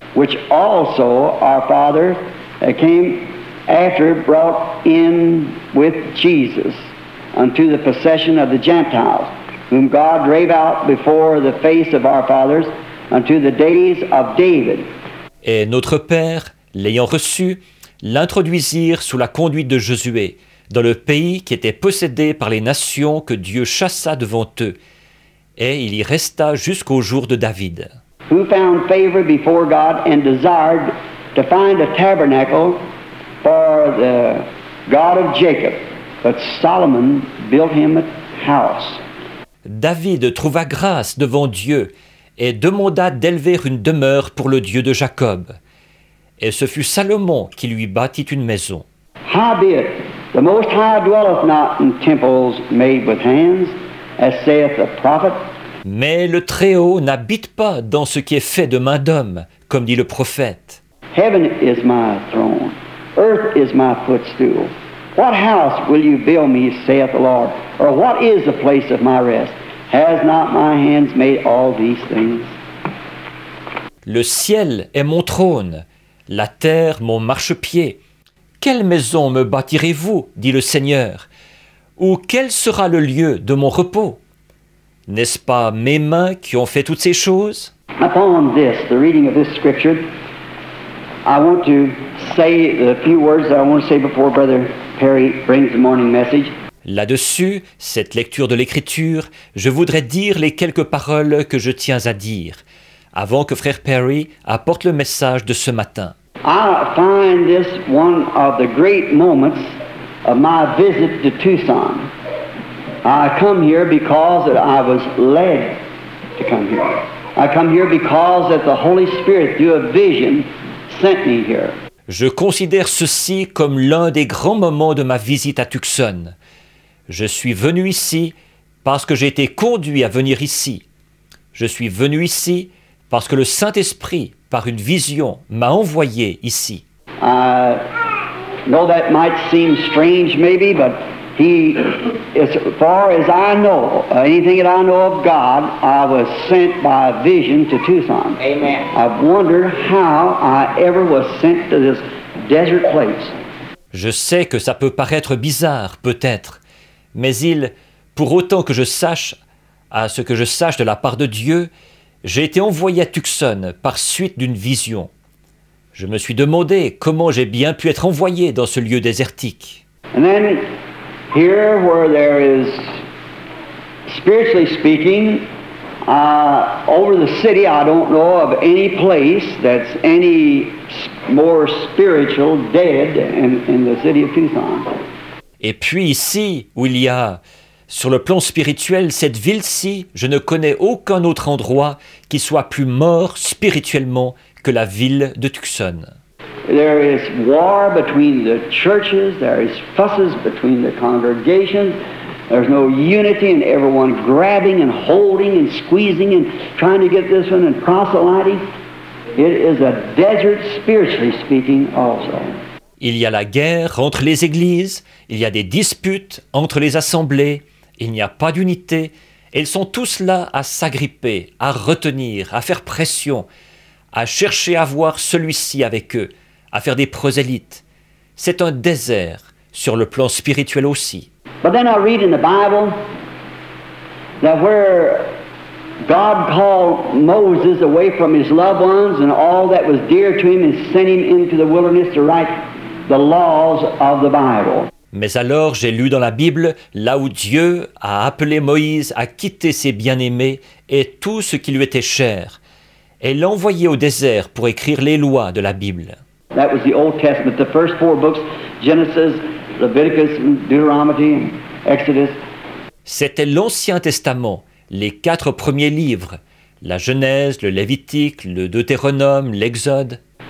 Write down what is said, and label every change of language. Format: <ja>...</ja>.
<en>Which also our father came after brought in with Jesus unto the possession of the Gentiles, whom God drave out before the face of our fathers unto the days of David.</en> <fr>Et notre père, l'ayant reçu, l'introduisirent sous la conduite de Josué, dans le pays qui était possédé par les nations que Dieu chassa devant eux. Et il y resta jusqu'au jour de David.</fr> <en>Who found favor before God and desired to find a tabernacle for the God of Jacob. But Solomon built him a house.</en> <fr>David trouva grâce devant Dieu et demanda d'élever une demeure pour le Dieu de Jacob. et ce fut Salomon qui lui bâtit une maison.</fr> <en>Howbeit, the Most High dwelleth not in temples made with hands, as saith the prophet.</en> <fr>Mais le Très-Haut n'habite pas dans ce qui est fait de main d'homme, comme dit le prophète.</fr> <en>Heaven is my throne, earth is my footstool. What house will you build me, saith the Lord? Or what is the place of my rest? Has not my hands made all these things?</en> <fr>Le ciel est mon trône, la terre mon marchepied. Quelle maison me bâtirez-vous, dit le Seigneur, ou quel sera le lieu de mon repos? N'est-ce pas mes mains qui ont fait toutes ces choses?</fr> <en>Upon this, the reading of this scripture, I want to say the few words that I want to say before Brother Perry brings the morning message.</en> <fr>Là-dessus, cette lecture de l'Écriture, je voudrais dire les quelques paroles que je tiens à dire, avant que Frère Perry apporte le message de ce matin.</fr> <en>I find this one of the great moments of my visit to Tucson. I come here because I was led to come here. I come here because that the Holy Spirit, through a vision, sent me here.</en> <fr>Je considère ceci comme l'un des grands moments de ma visite à Tucson. Je suis venu ici parce que j'ai été conduit à venir ici. Je suis venu ici parce que le Saint-Esprit, par une vision, m'a envoyé ici.</fr> <en>I know that might seem strange, maybe, but he, as far as I know, anything that I know of God, I was sent by a vision to Tucson. Amen. I wonder how I ever was sent to this desert place.</en> <fr>Je sais que ça peut paraître bizarre, peut-être, mais il, pour autant que je sache, à ce que je sache de la part de Dieu, j'ai été envoyé à Tucson par suite d'une vision. Je me suis demandé comment j'ai bien pu être envoyé dans ce lieu désertique.</fr> <en>And then, here where there is, spiritually speaking, over the city, I don't know of any place that's any more spiritual dead in the city of Tucson.</en> <fr>Et puis ici, où il y a, sur le plan spirituel, cette ville-ci, je ne connais aucun autre endroit qui soit plus mort spirituellement que la ville de Tucson.</fr> <en>There is war between the churches, there is fusses between the congregations, there's no unity and everyone grabbing and holding and squeezing and trying to get this one and proselyting. It is a desert, spiritually speaking, also.</en> <fr>Il y a la guerre entre les églises, il y a des disputes entre les assemblées, il n'y a pas d'unité, elles sont tous là à s'agripper, à retenir, à faire pression, à chercher à voir celui-ci avec eux, à faire des prosélytes. C'est un désert, sur le plan spirituel aussi.</fr> <en>But then I read in the Bible that where God called Moses away from his loved ones and all that was dear to him and sent him into the wilderness to write the laws of the Bible.</en> <fr>Mais alors j'ai lu dans la Bible là où Dieu a appelé Moïse à quitter ses bien-aimés et tout ce qui lui était cher et l'envoyer au désert pour écrire les lois de la Bible.</fr> <en>That was the Old Testament, the first four books, Genesis, Leviticus, Deuteronomy, Exodus.</en> <fr>C'était l'Ancien Testament, les quatre premiers livres, la Genèse, le Lévitique, le Deutéronome, l'Exode.</fr>